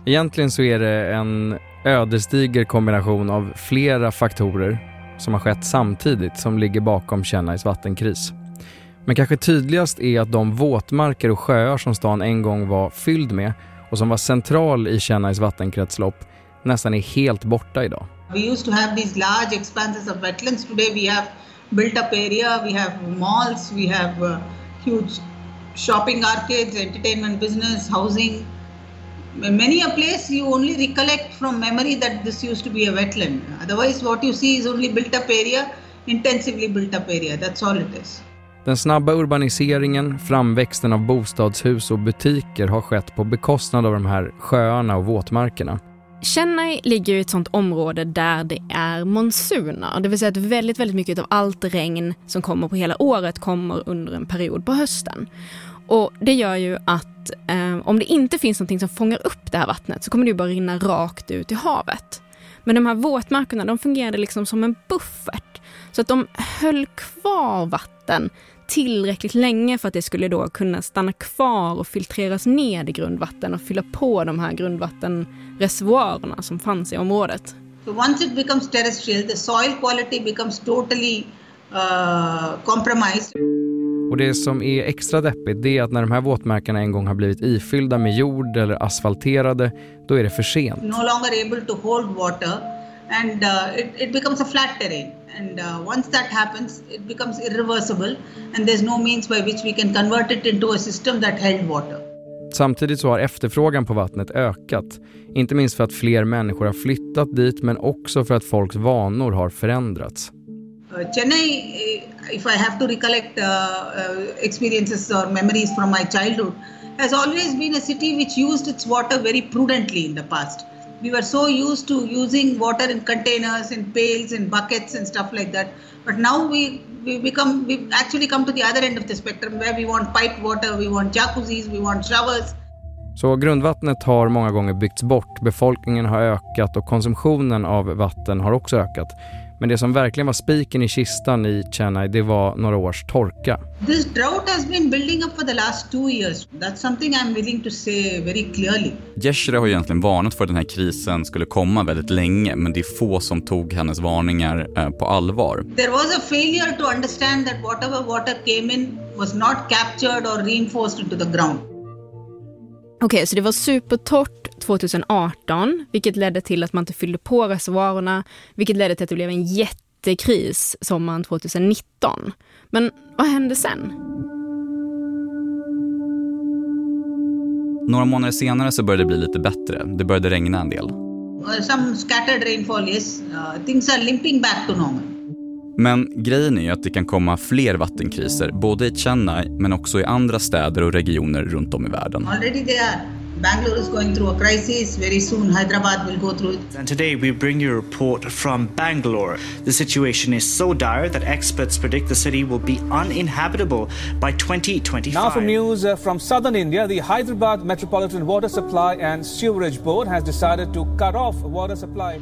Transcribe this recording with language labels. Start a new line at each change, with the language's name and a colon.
Swedish: Egentligen så är det en ödesdiger kombination av flera faktorer som har skett samtidigt som ligger bakom Chennais vattenkris. Men kanske tydligast är att de våtmarker och sjöar som stan en gång var fylld med och som var central i Chennais vattenkretslopp nästan är helt borta idag.
English: We used to have these large expanses of wetlands. Today we have built up area, we have malls, we have huge shopping arcades, entertainment business, housing. Many a place you only recollect from memory that this used to be a wetland. Otherwise what you see is only built up area, intensively built up area. That's all it is.
Swedish: Den snabba urbaniseringen, framväxten av bostadshus och butiker har skett på bekostnad av de här sjöarna och våtmarkerna. Chennai ligger i ett sånt område där det är monsuner. Det vill säga att väldigt, väldigt mycket av allt regn som kommer på hela året kommer under en period på hösten. Och det gör ju att om det inte finns någonting som fångar upp det här vattnet så kommer det ju bara rinna rakt ut i havet. Men de här våtmarkerna, de fungerade liksom som en buffert. Så att de höll kvar vatten tillräckligt länge för att det skulle då kunna stanna kvar och filtreras ner i grundvatten och fylla på de här grundvattenreservoarerna som fanns i området.
English: So once it becomes terrestrial, the soil quality becomes totally compromised.
Swedish: Och det som är extra deppigt det är att när de här våtmarkerna en gång har blivit ifyllda med jord eller asfalterade, då är det för sent.
English: No longer able to hold water and it becomes a flat terrain. And once that happens, it becomes irreversible and there's no means by which we can convert it into a system that held water.
Swedish: Samtidigt så har efterfrågan på vattnet ökat. Inte minst för att fler människor har flyttat dit men också för att folks vanor har förändrats.
English: Chennai, if I have to recollect experiences or memories from my childhood, has always been a city which used its water very prudently in the past. We were so used to using water in containers and pails and buckets and stuff like that. But now we've actually come to the other end of the spectrum where we want piped water, we want jacuzzis, we want showers.
Swedish: Så grundvattnet har många gånger byggts bort, befolkningen har ökat och konsumtionen av vatten har också ökat. Men det som verkligen var spiken i kistan i Chennai, det var några års torka.
English: This drought has been building up for the last 2 years. That's something I'm willing to say very clearly.
Swedish: Yeshre har egentligen varnat för att den här krisen skulle komma väldigt länge, men det är få som tog hennes varningar på allvar.
English: There was a failure to understand that whatever water came in was not captured or reinforced into the ground.
Swedish: Okej, okay, så det var supertorrt 2018, vilket ledde till att man inte fyllde på reservoarerna, vilket ledde till att det blev en jättekris sommaren 2019. Men vad hände sen? Några månader senare så började det bli lite bättre. Det började regna en del.
English: Some scattered rainfall, yes. Things are limping back to normal.
Swedish: Men grejen är ju att det kan komma fler vattenkriser, både i Chennai men också i andra städer och regioner runt om i världen.
English: Already they are. Bangalore is going through a crisis. Very soon Hyderabad will go through it. And today we bring you a report from Bangalore. The situation is so dire that experts predict the city will be uninhabitable by 2025. Now for news from southern India, the Hyderabad Metropolitan Water Supply and Sewerage Board has decided to cut off water supply.